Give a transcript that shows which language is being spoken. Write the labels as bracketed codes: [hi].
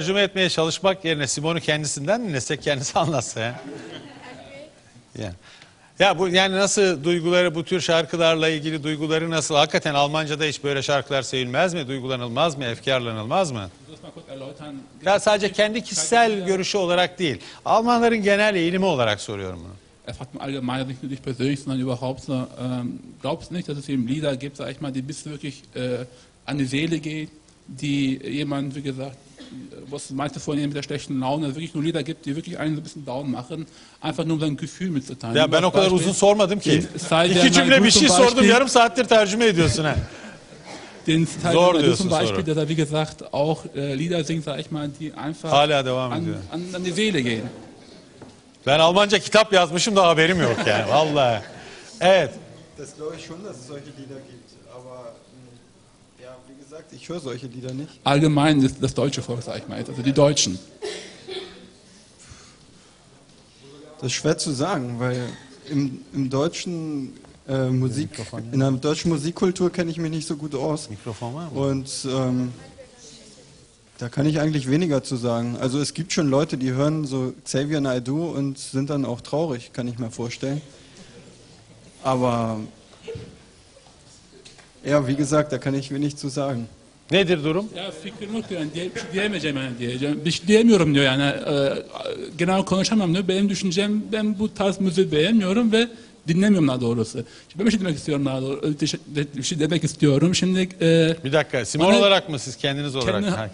[tr] Tercüme etmeye çalışmak yerine Simon'u kendisinden dinlesek kendisi anlatsa. Yani. Ya bu yani nasıl duyguları bu tür şarkılarla ilgili duyguları nasıl? Hakikaten Almanca'da hiç böyle şarkılar sevilmez mi? Duygulanılmaz mı? Efkarlanılmaz mı? Ya sadece kendi kişisel görüşü olarak değil. Almanların genel eğilimi olarak soruyorum bunu. [de] Er fragt mal allgemein nicht nur dich persönlich, sondern überhaupt so, glaubst nicht, dass es eben Lieder gibt, sag ich mal, die bis wirklich an die Seele geht, die jemand, wie gesagt, was meinte vorhin mit der schlechten Laune, wirklich nur Lieder gibt, die wirklich einen so ein bisschen down machen, einfach nur um sein Gefühl mitzuteilen. [tr] Ja, ben o kadar uzun sormadım ki. İki cümle bir şey sordum, yarım saattir tercüme ediyorsun ha. [de] Den Zor [tr] diyorsun [de] Beispiel, soru. Der da wie gesagt auch Lieder singt, sag ich mal, die einfach an die Seele gehen. [tr] Ben Almanca kitap yazmışım da haberim yok yani, vallahi. Evet. [de] Das glaube ich schon, dass es solche Lieder gibt, aber ja, wie gesagt, ich höre solche Lieder nicht. Allgemein ist das deutsche Volk, sag ich mal, also die Deutschen. Das ist schwer zu sagen, weil im Deutschen Musik, ja, in einer deutschen Musikkultur kenne ich mich nicht so gut aus. Mikrofon mal. Und da kann ich eigentlich weniger zu sagen. Also es gibt schon Leute, die hören so Xavier Naidoo und sind dann auch traurig, kann ich mir vorstellen. Aber ja, wie gesagt, da kann ich wenig zu sagen. [tr] Nedir durum? Ya fikrim yok yani diyemeyeceğim yani diyeceğim. Bir şey diyemiyorum diyor yani. Genel konuşamam diyor. Benim düşüncem, ben bu tarz müziği beğenmiyorum ve dinlemiyorum daha doğrusu. Şimdi ben bir şey demek istiyorum daha doğrusu. Bir şey demek istiyorum. Şimdi bir dakika. Simon bana, olarak mı siz kendiniz olarak?